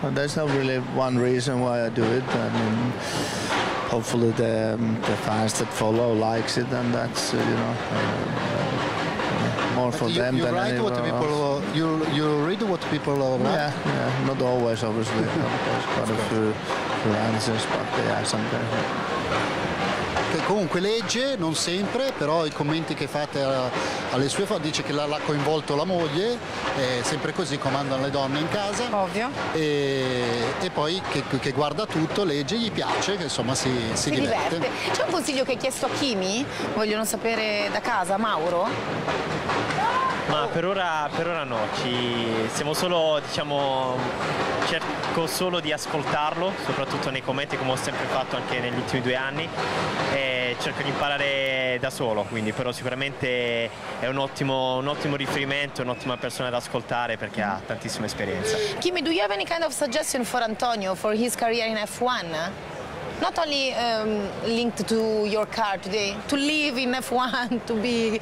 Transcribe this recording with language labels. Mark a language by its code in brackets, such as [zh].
[en] There's not really one reason why I do it. I mean, hopefully the fans that follow likes it, and that's, you know, more for them than anyone else. You read what people are about? Yeah, yeah, not always, obviously. There's quite a few answers, but yeah, sometimes. [it] Comunque legge, non sempre, però i commenti che fate alle sue foto, dice che l'ha coinvolto la moglie, è sempre così, comandano le donne in casa. Ovvio. E poi che guarda tutto, legge, gli piace, che insomma si diverte. C'è un consiglio che hai chiesto a Kimi? Vogliono sapere da casa, Mauro? Ma per ora no, siamo solo, diciamo, cerco solo di ascoltarlo, soprattutto nei commenti, come ho sempre fatto anche negli ultimi 2 anni, e cerco di imparare da solo, quindi, però sicuramente è un ottimo riferimento, un'ottima persona da ascoltare, perché ha tantissima esperienza. [en] Kimi, do you have any kind of suggestion for Antonio for his career in F1? Not only linked to your car today, to live in F1, to be...